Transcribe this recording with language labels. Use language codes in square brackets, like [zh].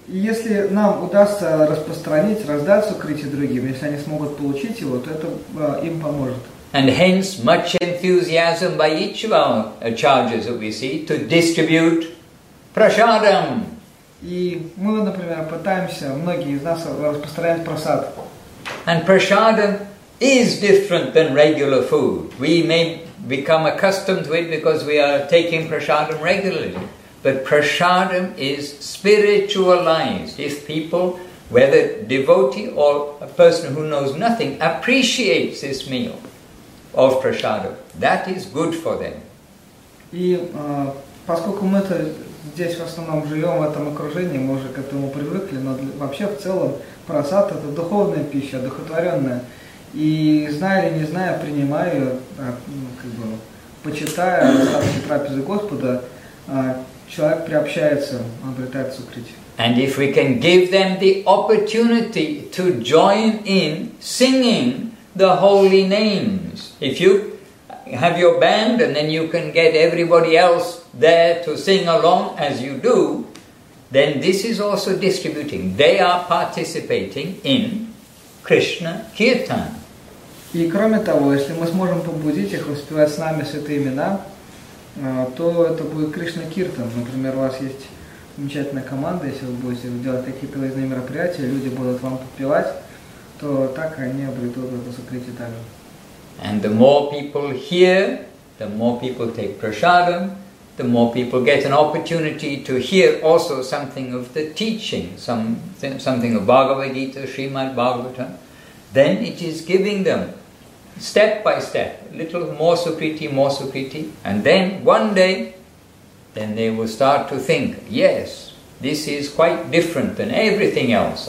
[ru] если нам удастся распространить, раздать сукрити другим, если они смогут получить его, то это им поможет. [en] And hence much enthusiasm by each of our charges that we see to distribute prasadam. И мы, например, пытаемся, многие из нас, распространять прасад. And prasadam is different than regular food. We may become accustomed to it because we are taking prasadam regularly. But prasadam is spiritualized. If people, whether devotee or a person who knows nothing, appreciates this meal of prasadam, that is good for them. [ru] И поскольку мы это здесь в основном живем в этом окружении, мы уже к этому привыкли, но вообще в целом прасад это духовная пища, одухотворенная. И зная или не зная, принимаю, как бы почитая остатки трапезы Господа, человек приобщается, он обретает сукрити. [en] And if we can give them the opportunity to join in singing the holy names, if you have your band and then you can get everybody else there to sing along as you do, then this is also distributing. They are participating in Krishna Kirtan. [ru] И кроме того, если мы сможем побудить их воспевать с нами святые имена, то это будет Кришна Киртан. Например, у вас есть замечательная команда, если вы будете делать какие-то важные мероприятия, люди будут вам подпевать, то так они обретут это сукрити также. [en] And the more people hear, the more people take prasadam, the more people get an opportunity to hear also something of the teaching, something of Bhagavad Gita, Srimad Bhagavatam. Then it is giving them, step by step, a little more sukriti, and then one day, then they will start to think, yes, this is quite different than everything else.